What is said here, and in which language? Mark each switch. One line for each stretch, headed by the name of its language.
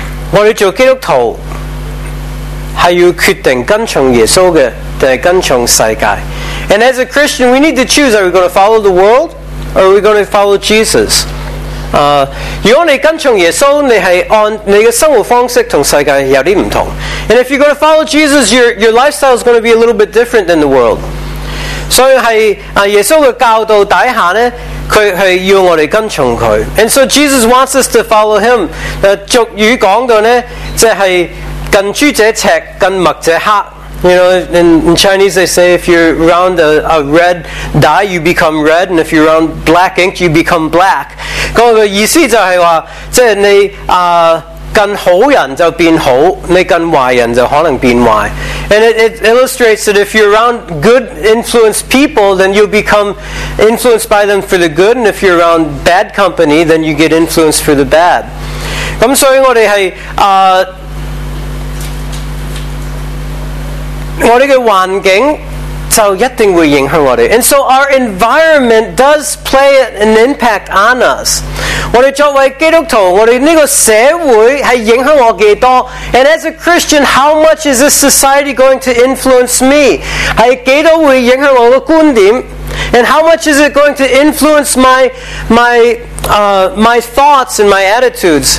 Chinese: 我们做基督徒是要决定跟从耶稣的还是跟从世界。
English: And as a Christian, we need to choose, are we going to follow the world, or are we going to follow Jesus?
Chinese: 如果你跟从耶稣，你是按你的生活方式跟世界有点不同。
English: And if you're going to follow Jesus, your lifestyle is going to be a little bit different than the world.
Chinese: 所以在耶稣的教导底下呢，他是要我们跟从他。
English: And so Jesus wants us to follow him.
Chinese: 俗语讲到呢，就是近朱者赤，近墨者黑。
English: You know, in Chinese they say if you're around a red dye, you become red, and if you're around black ink, you become black.
Chinese: 那个意思就是说，即是你跟好人就变好，你跟坏人就可能变坏。
English: And it illustrates that if you're around good influenced people, then you'll become influenced by them for the good, and if you're around bad company, then you get influenced for the bad.
Chinese: 那所以我们是我们的环境就一定会影响我们。
English: And so our environment does play an impact on us.
Chinese: 我们作为基督徒，我们这个社会是影响我多少。
English: And as a Christian, how much is this society going to influence me?
Chinese: 是多少会影响我的观点？
English: And how much is it going to influence my thoughts and my attitudes?